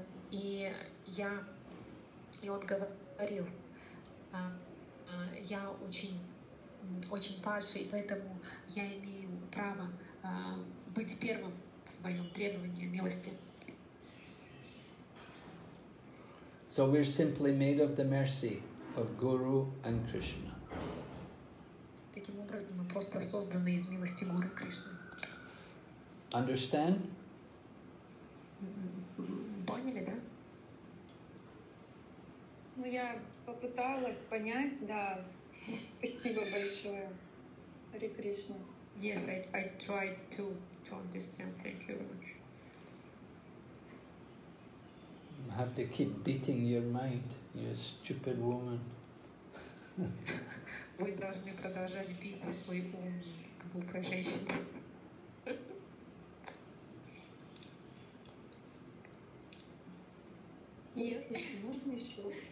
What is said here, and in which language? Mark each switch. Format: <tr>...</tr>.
<ru>И он говорил, я очень падший, поэтому я имею право быть первым в своем требовании милости.</ru> <en>So we're simply made of the mercy of Guru and Krishna.</en> <ru>Таким образом, мы просто созданы из милости Гуру Кришны.</ru> <en>Understand?</en> <ru>Поняли, да? Ну, я попыталась понять, да. Спасибо большое, Hare Krishna.</ru> <en>Yes, I tried to understand. Thank you very much. You have to keep beating your mind, you stupid woman.</en> <ru>Вы должны продолжать бить свой ум, глупая женщина. Если можно еще.</ru>